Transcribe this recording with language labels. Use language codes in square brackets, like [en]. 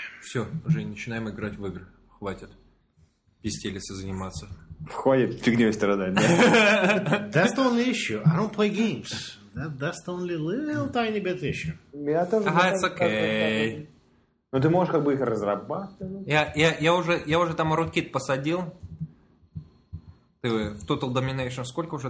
[ru] Все, уже начинаем играть в игры. Хватит пиздилиться заниматься. Хватит фигней страдать, да? [en] That's the only issue. I don't play games. That's the only little tiny bit issue. Ага, it's okay. [ru] Ну ты можешь как бы их разрабатывать. Я уже там RootKit посадил. Ты в Total Domination сколько уже?